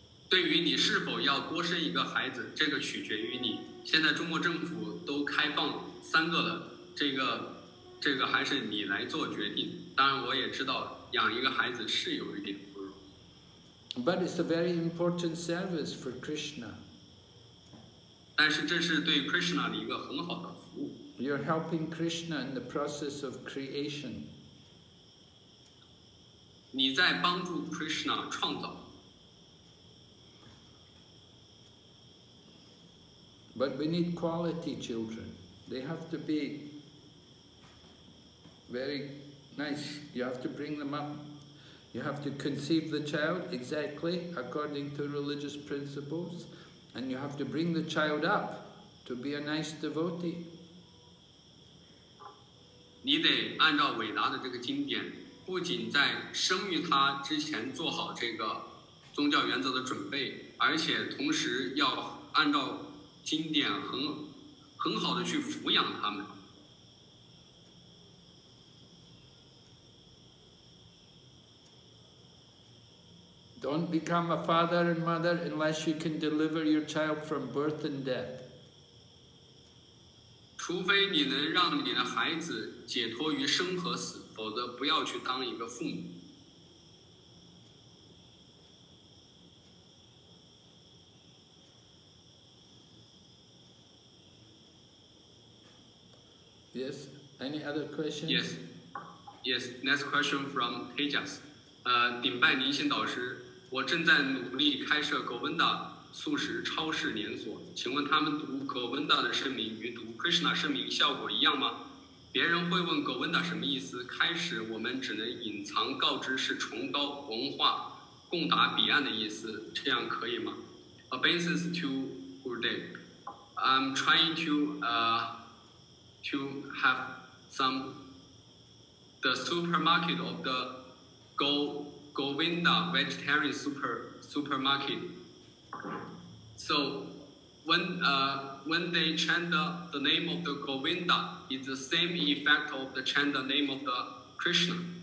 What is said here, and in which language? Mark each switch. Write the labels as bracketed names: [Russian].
[Chinese] 对于你是否要多生一个孩子，这个取决于你。现在中国政府都开放3个了，这个还是你来做决定。当然，我也知道养一个孩子是有一点不容易。 [English] But it's a very important service for Krishna. [Chinese] 但是这是对 Krishna 的一个很好的服务。 [English] You're helping Krishna in the process of creation. [Chinese] 你在帮助 Krishna 创造。 [English] But we need quality children. They have to be very nice. You have to bring them up. You have to conceive the child exactly according to religious principles, and you have to bring the child up to be a nice devotee. [Chinese] 你得按照伟达的这个经典，不仅在生育他之前做好这个宗教原则的准备，而且同时要按照经典很好的去抚养他们。 [English] Don't become a father and mother unless you can deliver your child from birth and death. [Chinese] 除非你能让你的孩子解脱于生和死，否则不要去当一个父母。 [English] Yes, any other questions? Yes, yes. Next question from Tejas. [Chinese] 顶拜灵性导师，我正在努力开设狗文达素食超市连锁，请问他们读狗文达的圣名与读 Krishna 圣名效果一样吗？别人会问狗文达什么意思，开始我们只能隐藏告知是崇高文化共达彼岸的意思，这样可以吗？ [English] A basis to Gurudev. I'm trying to have some the supermarket of the Govinda vegetarian supermarket. So when they chant the name of the Govinda, it's the same effect of the chant the name of the Krishna.